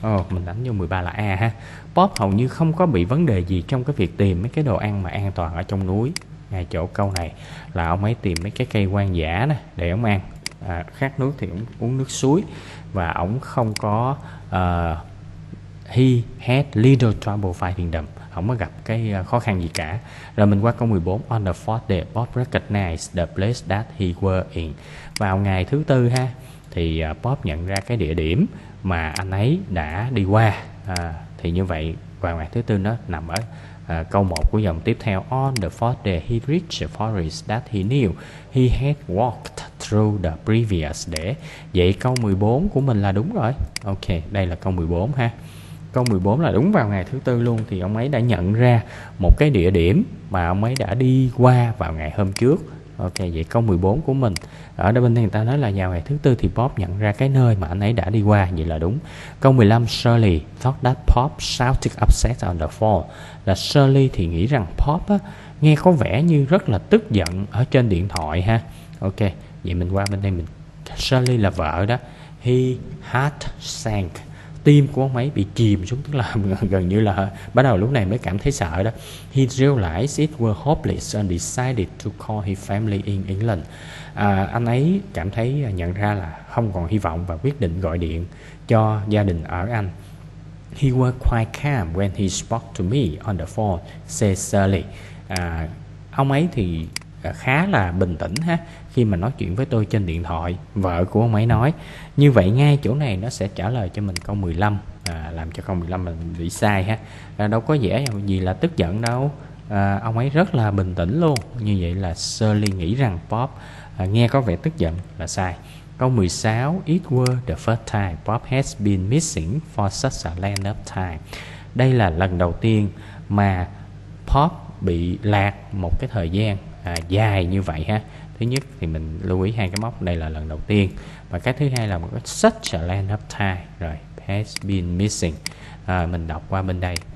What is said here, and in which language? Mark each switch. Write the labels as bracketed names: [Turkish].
[Vietnamese] Mình đánh vô 13 là A ha. Bob hầu như không có bị vấn đề gì trong cái việc tìm mấy cái đồ ăn mà an toàn ở trong núi. Ngay chỗ câu này là ông ấy tìm mấy cái cây hoang dã này để ông ăn. Khát nước thì uống nước suối. Và ổng không có [English] he had little trouble finding them. [Vietnamese] Không có gặp cái khó khăn gì cả. Rồi mình qua câu 14. [English] On the fourth day, Bob recognized the place that he was in. [Vietnamese] Vào ngày thứ tư ha, thì Bob nhận ra cái địa điểm mà anh ấy đã đi qua. Thì như vậy vào ngày thứ tư nó nằm ở câu 1 của dòng tiếp theo. [English] On the fourth day, he reached a forest that he knew he had walked through the previous day. [Vietnamese] Vậy câu 14 của mình là đúng rồi. Ok, đây là câu 14 ha. Câu 14 là đúng vào ngày thứ tư luôn. Thì ông ấy đã nhận ra một cái địa điểm mà ông ấy đã đi qua vào ngày hôm trước. Ok, vậy câu 14 của mình ở đây bên đây người ta nói là vào ngày thứ tư thì Pop nhận ra cái nơi mà anh ấy đã đi qua. Vậy là đúng. Câu 15, [English] Shirley thought that Pop shouted upset on the phone. [Vietnamese] Là Shirley thì nghĩ rằng Pop á, nghe có vẻ như rất là tức giận ở trên điện thoại ha. Ok, vậy mình qua bên đây mình. Shirley là vợ đó. [English] He heart sank. [Vietnamese] Tim của ông ấy bị chìm xuống, tức là gần như là bắt đầu lúc này mới cảm thấy sợ đó. [English] He realized it was hopeless and decided to call his family in England. [Vietnamese] Anh ấy cảm thấy nhận ra là không còn hy vọng và quyết định gọi điện cho gia đình ở Anh. [English] He was quite calm when he spoke to me on the phone, says Shirley. [Vietnamese] Ông ấy thì khá là bình tĩnh ha, khi mà nói chuyện với tôi trên điện thoại, vợ của ông ấy nói. Như vậy ngay chỗ này nó sẽ trả lời cho mình câu 15, làm cho câu 15 mình bị sai ha. Đâu có dễ gì là tức giận đâu. Ông ấy rất là bình tĩnh luôn. Như vậy là Shirley nghĩ rằng Pop nghe có vẻ tức giận là sai. Câu 16, [English] it was the first time Pop has been missing for such a length of time. [Vietnamese] Đây là lần đầu tiên mà Pop bị lạc một cái thời gian dài như vậy ha. Thứ nhất thì mình lưu ý hai cái mốc, đây là lần đầu tiên. Và cái thứ hai là một cái [English] such a length of time. [Vietnamese] Rồi, [English] has been missing. [Vietnamese] Mình đọc qua bên đây.